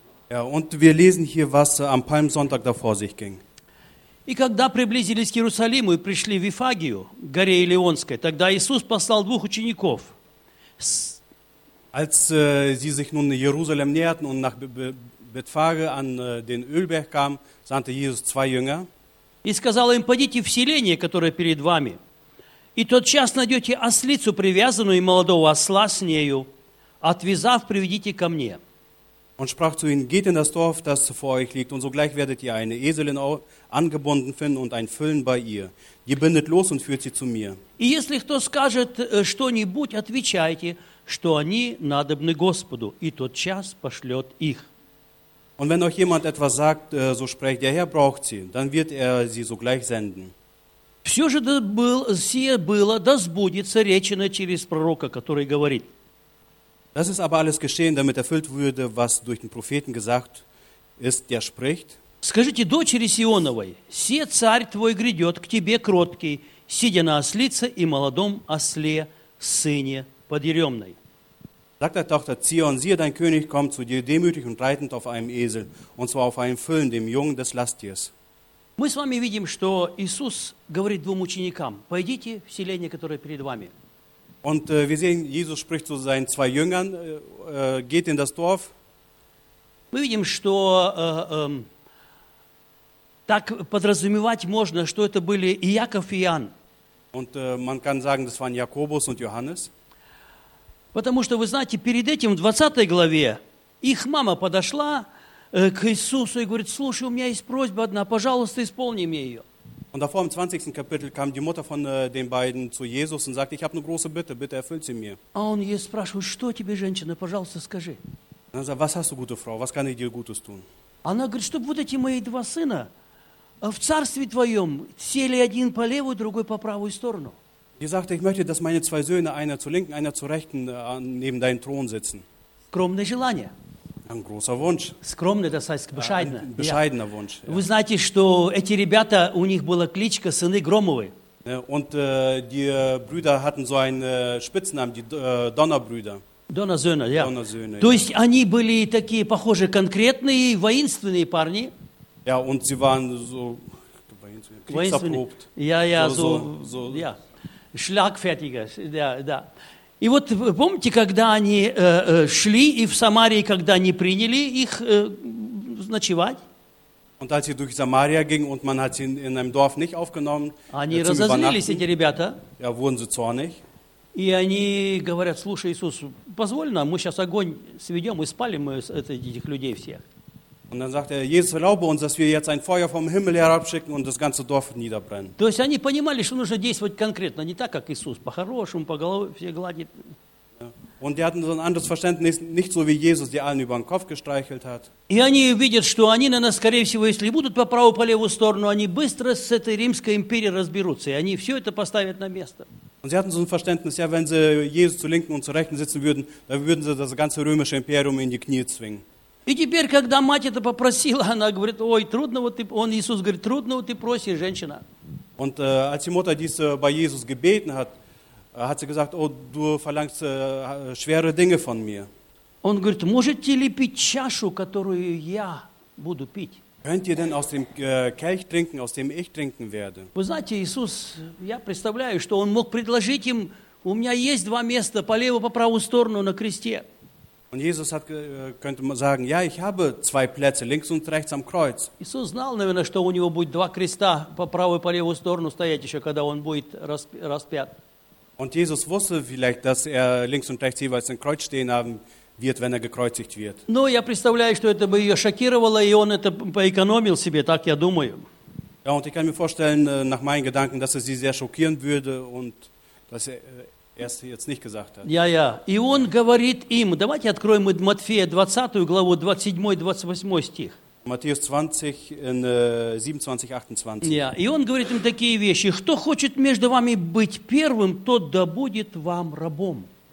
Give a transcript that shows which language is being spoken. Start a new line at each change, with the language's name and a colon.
German: Ja, und wir lesen hier, was am Palmsonntag da vor sich ging.
Russian: И когда приблизились к Иерусалиму и пришли в Вифагию, горе Елеонской, тогда Иисус послал двух учеников.
German: Als sie sich nun in Jerusalem näherten und nach Betphage an den Ölberg kamen, sandte Jesus zwei Jünger.
Russian: И сказал им: «Пойдите в селение, которое перед вами, и тотчас найдете ослицу привязанную и молодого осла с нею, отвязав, приведите ко мне».
German: Und sprach zu ihnen: «Geht in das Dorf, das vor euch liegt, und sogleich werdet ihr eine Eselin angebunden finden und ein Füllen bei ihr. Ihr bindet los und führt sie zu mir.
Russian: И если кто скажет что-нибудь, отвечайте, что они надобны Господу, и тотчас пошлет их».
German: Und wenn euch jemand etwas sagt, so sprecht: «Der Herr braucht sie», dann wird er sie sogleich senden.
Russian: Все же сие было, да сбудется речено через пророка, который говорит.
German: Das ist aber alles geschehen, damit erfüllt würde, was durch den Propheten gesagt ist, der spricht.
Russian: Скажите дочери Сионовой: «Се царь твой грядет к тебе кроткий, сидя на ослице и молодом осле, сыне подъеремной».
German: Sagt der Tochter Zion: «Siehe, dein König kommt zu dir demütig und reitend auf einem Esel, und zwar auf einem Füllen, dem Jungen des Lasttiers».
Russian: Мы с вами видим, что Иисус говорит двум ученикам: «Пойдите в селение, которое перед вами».
German: Und wir sehen, Jesus spricht zu seinen zwei Jüngern: «Geht in das Dorf».
Russian: Мы видим, что так подразумевать можно, что это были Иаков и Иоанн.
German: Und man kann sagen, das waren Jakobus und Johannes.
Russian: Потому что, вы знаете, перед этим, в 20 главе, их мама подошла к Иисусу и говорит: «Слушай, у меня есть просьба одна, пожалуйста, исполни мне ее».
German: Und davor im 20. Kapitel kam die Mutter von den beiden zu Jesus und sagte: «Ich habe eine große Bitte, bitte erfüllt sie mir».
Russian: А он ей спрашивает: «Что тебе, женщина, пожалуйста, скажи?» Она сказала:
German: «Was hast du, gute Frau, was kann ich dir Gutes tun?»
Russian: Она говорит: «Чтоб вот эти мои два сына в царстве твоем сели один по левую, другой по правую сторону».
German: Sie sagte: «Ich möchte, dass meine zwei Söhne, einer zur linken, einer zur rechten, neben deinem Thron sitzen».
Russian: Скромное желание.
German: Ein großer Wunsch. Скромный, das heißt bescheidener. Ein bescheidener Wunsch.
Russian: Вы знаете, что эти ребята, у них была кличка «Сыны Громовы».
German: Und die Brüder hatten so einen Spitznamen, die Donnerbrüder. Donnersöhne, ja. Donnersöhne,
Russian: то есть они были такие, похоже, конкретные, воинственные парни.
German: Ja, und sie waren so kriegserprobt. Ja.
Russian: Schlagfertiger, да. И вот помните, когда они шли, и в Самарии, когда они приняли их ночевать, они разозлились, эти ребята, и они говорят: «Слушай, Иисус, позволь нам, мы сейчас огонь сведем и спалим мы этих людей всех».
German: Und dann sagt er: «Jesus, erlaube uns, dass wir jetzt ein Feuer vom Himmel herabschicken und das ganze Dorf niederbrennen».
Russian: То есть они понимали, что нужно действовать конкретно, не так, как Иисус, по-хорошему, по голове все гладит.
German: Und die hatten so ein anderes Verständnis, nicht so wie Jesus, die allen über den Kopf gestreichelt hat.
Russian: И они видят, что они, наверное, скорее всего, если будут по правую, по левую сторону, они быстро с этой Римской империей разберутся, и они все это поставят на место.
German: Und sie hatten so ein Verständnis, ja, wenn sie Jesus zur linken und zur rechten sitzen würden, dann würden sie das ganze römische Imperium in die Knie zwingen.
Russian: И теперь, когда мать это попросила, она говорит: «Ой, трудно вот ты», он, Иисус говорит: «Трудно вот ты просишь, женщина».
German: Und als die Mutter dies bei Jesus gebeten hat, hat sie gesagt: «О, du verlangst schwere Dinge von mir».
Russian: Он говорит: «Можете ли пить чашу, которую я буду пить?»
German: Könnt ihr denn aus dem Kelch trinken, aus dem ich trinken werde?
Russian: Вы знаете, Иисус, я представляю, что он мог предложить им: «У меня есть два места, по левую, по правую сторону на кресте».
German: Und Jesus hat, könnte man sagen: «Ja, ich habe zwei Plätze, links und rechts am Kreuz».
Russian: Иисус знал, наверное, что у него будет два креста по правую и по левую сторону стоять еще, когда он будет распят.
German: Und Jesus wusste vielleicht, dass er links und rechts jeweils ein Kreuz stehen haben wird, wenn er gekreuzigt wird.
Russian: Но я представляю, что это бы ее шокировало, и он это поэкономил себе, так я думаю.
German: Ja, und ich kann mir vorstellen, nach meinen Gedanken, dass es sie sehr schockieren würde und dass er... Jetzt nicht gesagt hat. Ja.
Russian: И он говорит им, давайте откроем Матфея 20 главу, 27-28 стих. Матфея 20, 27, 28.
English: Yeah.
Russian: И он говорит им такие вещи. Кто хочет между вами быть первым, тот да будет вам рабом.